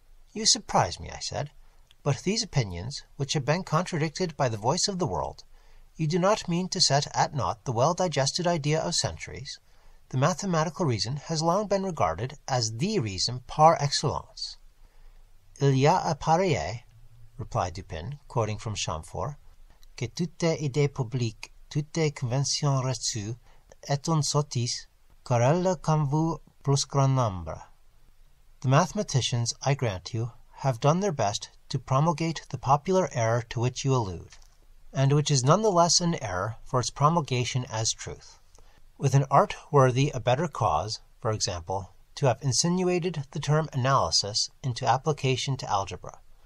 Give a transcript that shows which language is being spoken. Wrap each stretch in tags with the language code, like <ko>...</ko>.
<en>You surprise me, I said. But these opinions, which have been contradicted by the voice of the world, you do not mean to set at naught the well-digested idea of centuries. The mathematical reason has long been regarded as the reason par excellence.</en> <fr>Il y a à parier, replied Dupin, quoting from Chamfort, que toute idée publique, toute convention reçue, est une sottise, car elle comme vous plus grand nombre.</fr> <en>The mathematicians, I grant you, have done their best to promulgate the popular error to which you allude, and which is none the less an error for its promulgation as truth. With an art worthy a better cause, for example, to have insinuated the term analysis into application to algebra.</en>